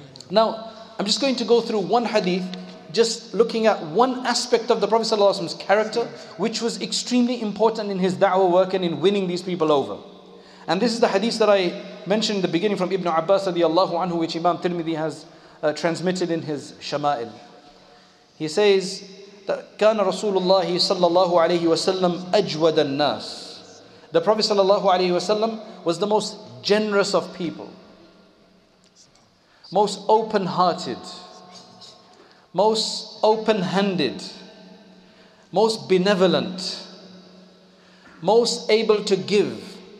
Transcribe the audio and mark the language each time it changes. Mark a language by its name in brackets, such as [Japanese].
[English] Now, I'm just going to go through one hadith, just looking at one aspect of the Prophet's character, which was extremely important in his da'wah work and in winning these people over. And this is the hadith that I mentioned in the beginning from Ibn Abbas radiallahu anhu, which Imam Tirmidhi has transmitted in his Shama'il. He says that [Arabic] كَانَ رَسُولُ اللَّهِ صَلَّى اللَّهُ عَلَيْهِ وَسَلَّمْ أَجْوَدَ النَّاسِ. [English] The Prophet sallallahu alayhi wasallam was the most generous of people, most open-hearted, most open-handed, most benevolent, most able to give.